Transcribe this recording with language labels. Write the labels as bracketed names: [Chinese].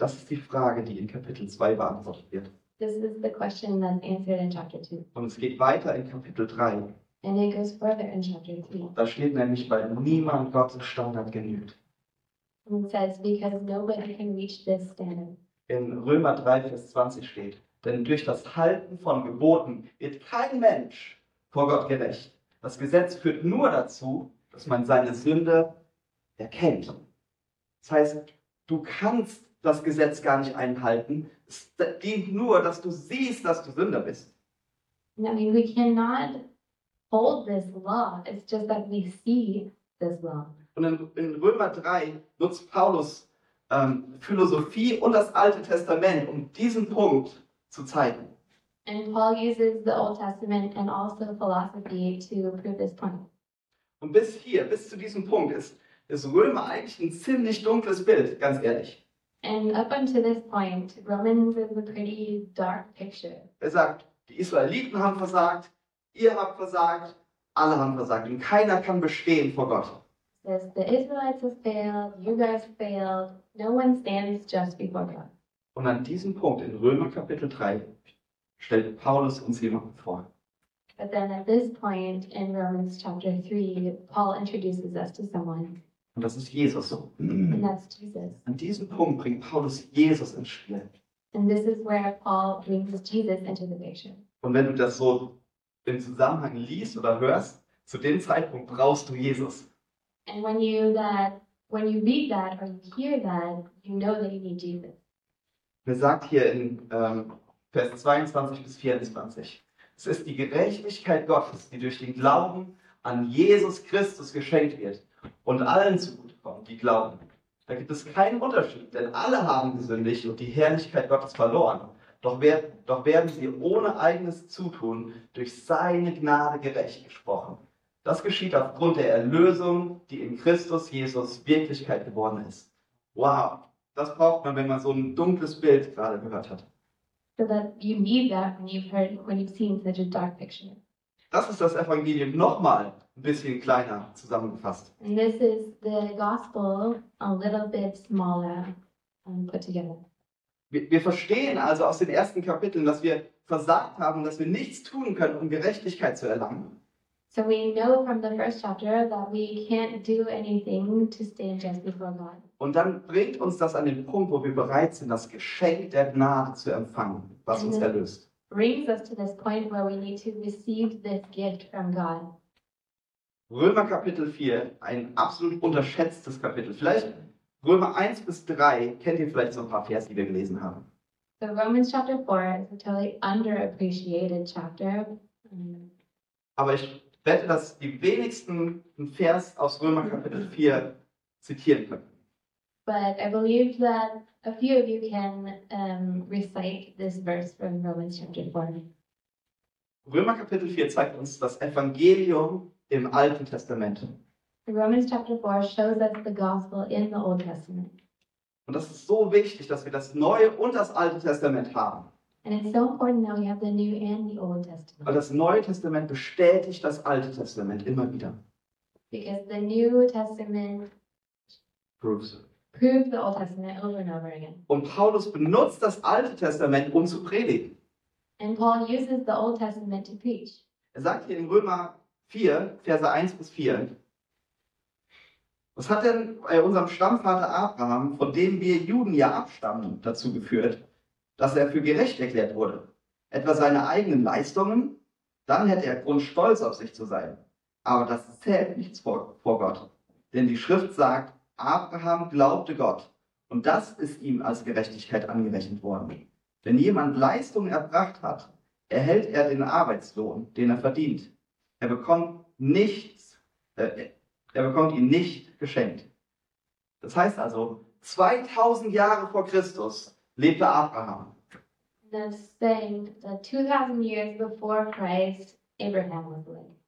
[German] Das ist die Frage, die in Kapitel 2 beantwortet wird. [English] This is the question that's answered in chapter 2. [German] Und es geht weiter in Kapitel 3. [English] And it goes further in chapter 3. [German] Da steht nämlich, weil niemand Gottes Standard genügt. [English] And it says, because nobody can reach this standard. [German] In Römer 3, Vers 20 steht, denn durch das Halten von Geboten wird kein Mensch vor Gott gerecht. Das Gesetz führt nur dazu, dass man seine Sünde erkennt. Das heißt, du kannst das Gesetz gar nicht einhalten. Es dient nur, dass du siehst, dass du Sünder bist. [English] I mean, we cannot hold this law. It's just that we see this law. [German] Und in Römer 3 nutzt Paulus Philosophie und das Alte Testament, um diesen Punkt zu zeigen. [English] And Paul uses the Old Testament and also philosophy to prove this point. [German] Und bis hier, bis zu diesem Punkt, ist Römer eigentlich ein ziemlich dunkles Bild, ganz ehrlich. [English] And up until this point, Romans is a pretty dark picture. [German] Er sagt, die Israeliten haben versagt, ihr habt versagt, alle haben versagt und keiner kann bestehen vor Gott. [English] Says, the Israelites have failed, you guys failed, no one stands just before God. [German] Und an diesem Punkt in Römer Kapitel 3 stellt Paulus uns jemanden vor. [English] But then at this point in Romans chapter 3, Paul introduces us to someone. [German] Und das ist Jesus. [English] And that's Jesus. [German] An diesem Punkt bringt Paulus Jesus ins Spiel. [English] And this is where Paul brings Jesus into the picture. [German] Und wenn du das so im Zusammenhang liest oder hörst, zu dem Zeitpunkt brauchst du Jesus. [English] And when you read that or you hear that, you know that you need Jesus. [German] Er sagt hier in Vers 22 bis 24, es ist die Gerechtigkeit Gottes, die durch den Glauben an Jesus Christus geschenkt wird und allen zugutekommt, die glauben. Da gibt es keinen Unterschied, denn alle haben gesündigt und die Herrlichkeit Gottes verloren. Doch werden sie ohne eigenes Zutun durch seine Gnade gerecht gesprochen. Das geschieht aufgrund der Erlösung, die in Christus Jesus Wirklichkeit geworden ist. Wow, das braucht man, wenn man so ein dunkles Bild gerade gehört hat. [English] So that you need that when you've seen such a dark picture. [German] Das ist das Evangelium nochmal ein bisschen kleiner zusammengefasst. [English] And this is the gospel a little bit smaller put together. [German] Wir verstehen also aus den ersten Kapiteln, dass wir versagt haben, dass wir nichts tun können, um Gerechtigkeit zu erlangen. [English] So we know from the first chapter that we can't do anything to stand just before God. [German] Und dann bringt uns das an den Punkt, wo wir bereit sind, das Geschenk der Gnade zu empfangen, was uns erlöst. [English] Brings us to this point where we need to receive this gift from God. [German] Römer Kapitel 4, ein absolut unterschätztes Kapitel. Vielleicht Römer 1 bis 3, kennt ihr vielleicht so ein paar Verse, die wir gelesen haben. [English] So Romans chapter 4 is a totally underappreciated chapter. [German] Aber ich wette, dass die wenigsten einen Vers aus Römer Kapitel 4 zitieren können. [English] But I believe that a few of you can recite this verse from Romans chapter 4. [German] Römer Kapitel 4 zeigt uns das Evangelium im Alten Testament. [English] Romans chapter 4 shows us the gospel in the Old Testament. [German] Und das ist so wichtig, dass wir das Neue und das Alte Testament haben. [English] And it's so important that we have the New and the Old Testament. [German] Weil das Neue Testament bestätigt das Alte Testament immer wieder. [English] Because the New Testament proves the Old Testament over and over again. [German] Und Paulus benutzt das Alte Testament, um zu predigen. [English] And Paul uses the Old Testament to preach. [German] Er sagt hier in Römer 4, Verse 1 bis 4, was hat denn bei unserem Stammvater Abraham, von dem wir Juden ja abstammen, dazu geführt, dass er für gerecht erklärt wurde? Etwa seine eigenen Leistungen? Dann hätte er Grund, stolz auf sich zu sein. Aber das zählt nichts vor Gott. Denn die Schrift sagt, Abraham glaubte Gott. Und das ist ihm als Gerechtigkeit angerechnet worden. Wenn jemand Leistungen erbracht hat, erhält er den Arbeitslohn, den er verdient. Er bekommt ihn nicht geschenkt. Das heißt also, 2000 Jahre vor Christus lebte Abraham. [English] That's saying that 2000 years before Christ, Abraham was living.